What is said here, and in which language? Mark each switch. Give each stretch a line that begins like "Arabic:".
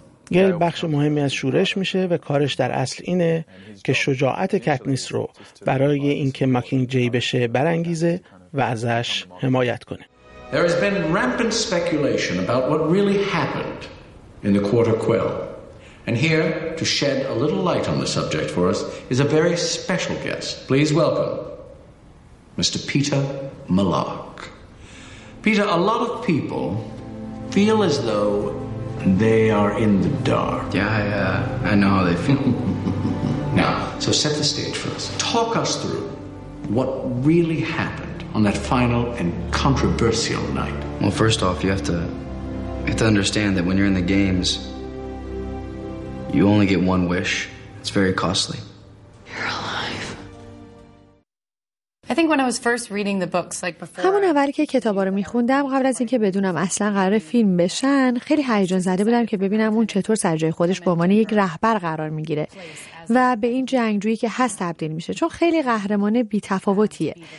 Persian: گیل بخش مهمی از شورش میشه و کارش در اصل اینه که شجاعت کاتنس رو برای اینکه ماکینگ جی بشه برانگیزه و ازش حمایت کنه.
English: There has been rampant speculation about what really happened in the Quarter Quill. And here to shed a little light on the subject for us is a very special guest. Please welcome Mr. Peeta Mellark. Peeta, a lot of people feel as though they are in the dark. Yeah, I know how they feel. Now, so set the stage for us. Talk us through what really happened on that final and controversial night. Well, first off, you have to understand that when you're in the games, you only get one wish. It's very costly. You're alive. I think
Persian: همون اول که کتابا رو میخوندم قبل از اینکه بدونم اصلا قراره فیلم بشن خیلی هیجان زده بودم که ببینم اون چطور سر جای خودش به عنوان یک رهبر قرار میگیره و به این جنگجویی که هست تبدیل میشه چون خیلی قهرمان بی‌تفاوتیه.